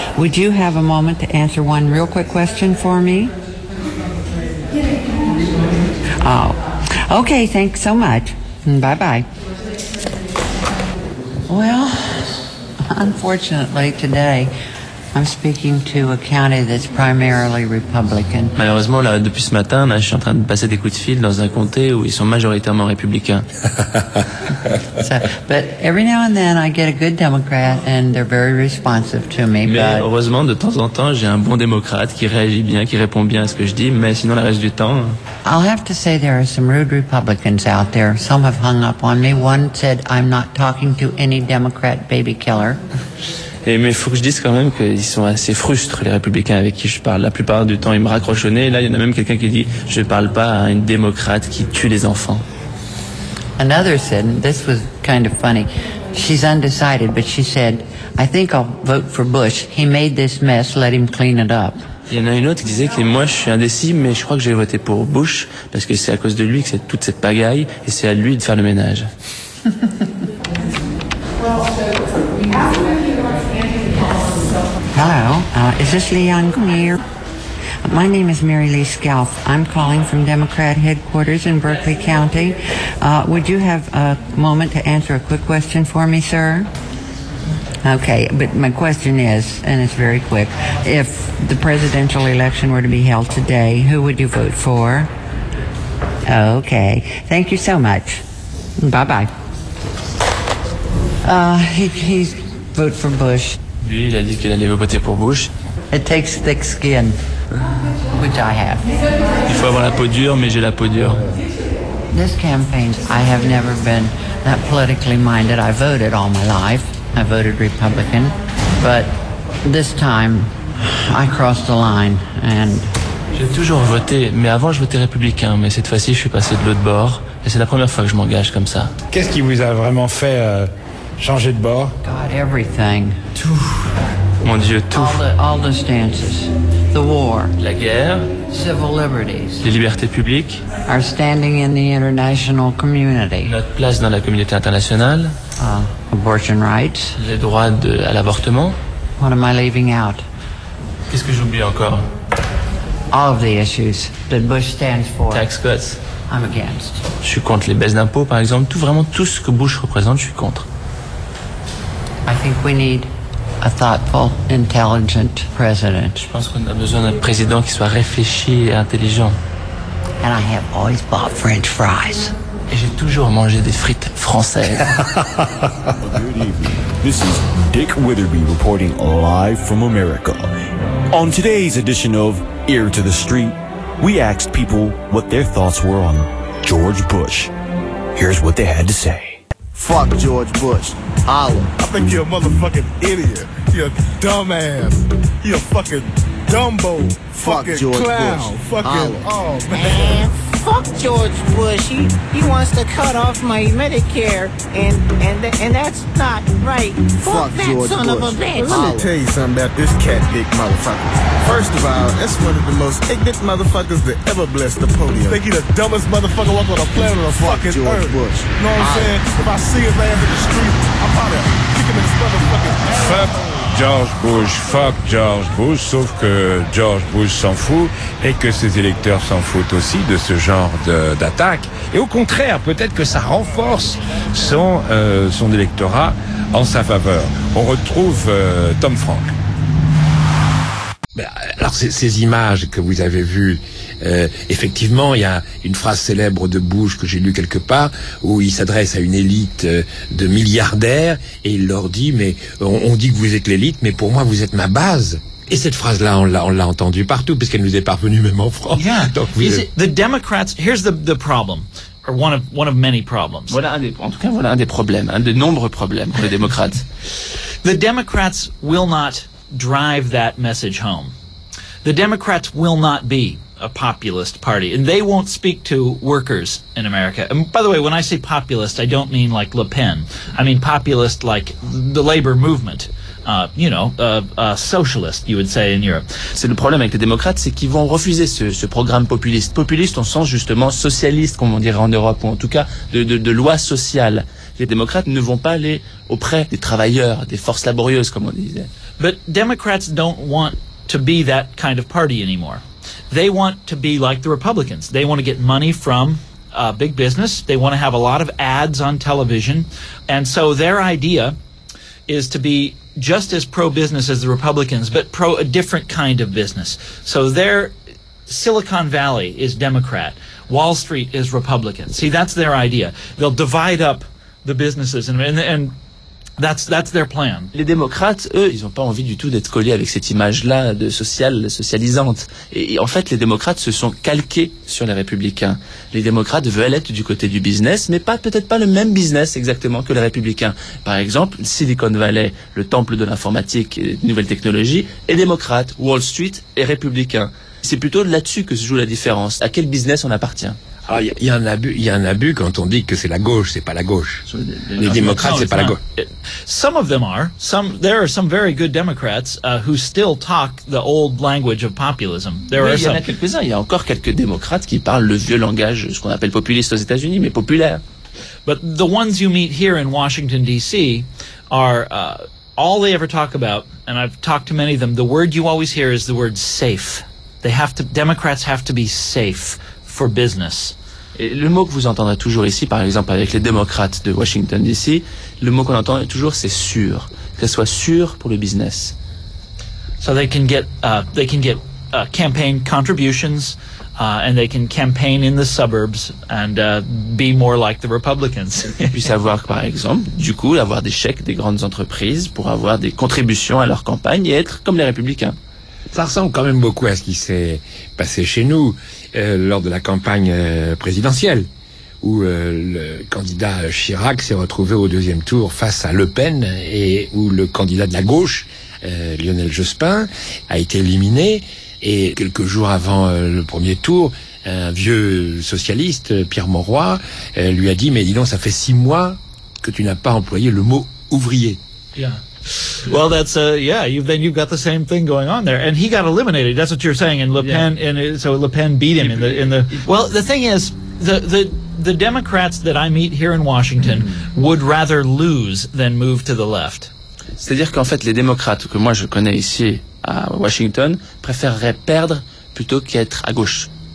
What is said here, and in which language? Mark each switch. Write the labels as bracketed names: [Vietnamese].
[English] Would you have a moment to answer one real quick question for me? Oh, okay, thanks so much. Bye-bye. Well, unfortunately, today I'm speaking to a county that's primarily Republican. [French] Malheureusement, là, depuis ce matin, là, je suis en train de passer des coups de fil dans un comté où ils sont majoritairement républicains. [English] But every now and then, I get a good Democrat, and they're very responsive to me. [French] Mais heureusement, de temps en temps, j'ai un bon démocrate qui réagit bien, qui répond bien à ce que je dis. Mais sinon, le reste du temps. [English] I'll have to say there are some rude Republicans out there. Some have hung up on me. One said, "I'm not talking to any Democrat baby killer." [French] Mais il faut que je dise quand même qu'ils sont assez frustres, les républicains avec qui je parle. La plupart du temps, ils me raccrochent au nez. Et là, il y en a même quelqu'un qui dit, je ne parle pas à une démocrate qui tue les enfants. [English] Another said, this was kind of funny. She's undecided, but she said, I think I'll vote for Bush. He made this mess, let him clean it up. [French] Il y en a une autre qui disait que moi, je suis indécis, mais je crois que j'ai voté pour Bush, parce que c'est à cause de lui que c'est toute cette pagaille, et c'est à lui de faire le ménage. [English] Hello, is this Leon Greer? My name is Mary Lee Scalf. I'm calling from Democrat headquarters in Berkeley County. Would you have a moment to answer a quick question for me, sir? Okay, but my question is, and it's very quick, if the presidential election were to be held today, who would you vote for? Okay, thank you so much. Bye-bye. He's vote for Bush. [French] Lui, il a dit qu'il allait voter pour Bush. [English] It takes thick skin, which I have. [French] Il faut avoir la peau dure, mais j'ai la peau dure. [English] This campaign, I have never been that politically minded. I voted all my life. I voted Republican. But this time, I crossed the line. And [French] j'ai toujours voté, mais avant je votais républicain. Mais cette fois-ci, je suis passé de l'autre bord. Et c'est la première fois que je m'engage comme ça. Qu'est-ce qui vous a vraiment fait changer de bord? [English] God, everything. [French] Tout. Mon Dieu, tout. [English] All the stances. The war. [French] La guerre. [English] Civil liberties. [French] Les libertés publiques. [English] Our standing in the international community. [French] Notre place dans la communauté internationale. [English] Abortion rights. [French] Les droits à l'avortement. [English] What am I leaving out? [French] Qu'est-ce que j'oublie encore? [English] All of the issues that Bush stands for. Tax cuts. I'm against. [French] Je suis contre les baisses d'impôts, par exemple. Tout, vraiment tout ce que Bush représente, je suis contre. [English] I think we need a thoughtful, intelligent president. [French] Je pense qu'on a besoin d'un président qui soit réfléchi et intelligent. [English] And I have always bought French fries. [French] Et j'ai toujours mangé des frites françaises. [English] Good evening. This is Dick Witherby reporting live from America. On today's edition of Ear to the Street, we asked people what their thoughts were on George Bush. Here's what they had to say. Fuck George Bush. Holla. I think you're a motherfucking idiot. You're a dumbass. You're a fucking dumbo. Fuck George Bush. Fucking, holla. Oh, man. Fuck George Bush. He wants to cut off my Medicare, and that's not right. Fuck that George son Bush. Of a bitch. Well, let me tell you something about this cat dick motherfucker. First of all, that's one of the most ignorant motherfuckers that ever blessed the podium. Think he the dumbest motherfucker walking on the planet on the fuck fucking George earth. Fuck George Bush. You know what I'm saying? If I see his ass in the street, I'm out of kick him in his motherfucking ass. Fuck George Bush, fuck George Bush, [French] sauf que George Bush s'en fout et que ses électeurs s'en foutent aussi de ce genre d'attaque. Et au contraire, peut-être que ça renforce son électorat en sa faveur. On retrouve Tom Frank. Alors ces images que vous avez vues, effectivement, il y a une phrase célèbre de Bush que j'ai lue quelque part où il s'adresse à une élite de milliardaires et il leur dit « mais on dit que vous êtes l'élite, mais pour moi vous êtes ma base ». Et cette phrase-là, on l'a entendue partout puisqu'elle nous est parvenue même en France. [English] Yeah. Donc, the Democrats, here's the problem. Or one of many problems. [French] Voilà un des nombreux problèmes pour les démocrates. [English] The Democrats will not drive that message home. The Democrats will not be a populist party, and they won't speak to workers in America. And by the way, when I say populist, I don't mean like Le Pen. I mean populist like the labor movement. Socialist, you would say in Europe. [French] C'est le problème avec les démocrates, c'est qu'ils vont refuser ce programme populiste. Populiste, on sent justement socialiste, comme on dirait en Europe, ou en tout cas de loi sociale. Les démocrates ne vont pas aller auprès des travailleurs, des forces laborieuses, comme on disait. [English] But Democrats don't want to be that kind of party anymore. They want to be like the Republicans. They want to get money from big business. They want to have a lot of ads on television. And so their idea is to be just as pro-business as the Republicans, but pro a different kind of business. So their Silicon Valley is Democrat. Wall Street is Republican. See, that's their idea. They'll divide up the businesses and That's their plan. [French] Les démocrates, eux, ils ont pas envie du tout d'être collés avec cette image-là de socialisante. Et en fait, les démocrates se sont calqués sur les républicains. Les démocrates veulent être du côté du business, mais peut-être pas le même business exactement que les républicains. Par exemple, Silicon Valley, le temple de l'informatique et des nouvelles technologies, est démocrate. Wall Street est républicain. C'est plutôt là-dessus que se joue la différence. À quel business on appartient? Alors, il y a un abus quand on dit que c'est la gauche, c'est pas la gauche. Les démocrates, c'est pas la gauche. [English] Some of them are. There are some very good Democrats who still talk the old language of populism. [French] Il y a encore quelques démocrates qui parlent le vieux langage, ce qu'on appelle populiste aux États-Unis, mais populaire. [English] But the ones you meet here in Washington, D.C. are all they ever talk about, and I've talked to many of them, the word you always hear is the word safe. Democrats have to be safe. For business. [French] Et le mot que vous entendrez toujours ici, par exemple avec les démocrates de Washington DC, le mot qu'on entend toujours, c'est sûr. que ce soit sûr pour le business. [English] So they can get campaign contributions. And they can campaign in the suburbs and be more like the Republicans. [French] Ils puissent avoir, par exemple, du coup, avoir des chèques des grandes entreprises pour avoir des contributions à leur campagne et être comme les Républicains. Ça ressemble quand même beaucoup à ce qui s'est passé chez nous lors de la campagne présidentielle, où le candidat Chirac s'est retrouvé au deuxième tour face à Le Pen et où le candidat de la gauche, Lionel Jospin, a été éliminé. Et quelques jours avant le premier tour, un vieux socialiste, Pierre Mauroy, lui a dit, mais dis donc, ça fait six mois que tu n'as pas employé le mot ouvrier. [English] Yeah. Well, that's, then you've got the same thing going on there. And he got eliminated, that's what you're saying. And Le Pen, yeah. And so Le Pen beat him in the... Well, the thing is, the Democrats that I meet here in Washington would rather lose than move to the left. [French] C'est-à-dire qu'en fait, les démocrates que moi je connais ici à Washington préféreraient perdre plutôt qu'être à gauche.